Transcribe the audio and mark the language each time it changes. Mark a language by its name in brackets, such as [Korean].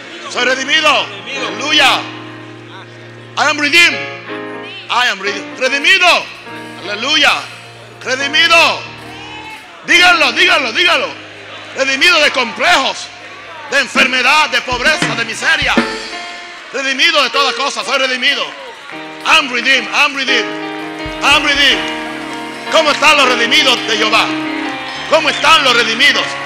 [Spanish] Soy redimido. Aleluya. [English] I am redeemed. I am [Spanish] redimido. Aleluya. Redimido. Díganlo, díganlo, díganlo. Redimido de complejos, de enfermedad, de pobreza, de miseria. Redimido de todas cosas, soy redimido. [English] I'm redeemed, I'm redeemed, I'm redeemed. [Spanish] ¿Cómo están los redimidos de Jehová? ¿Cómo están los redimidos?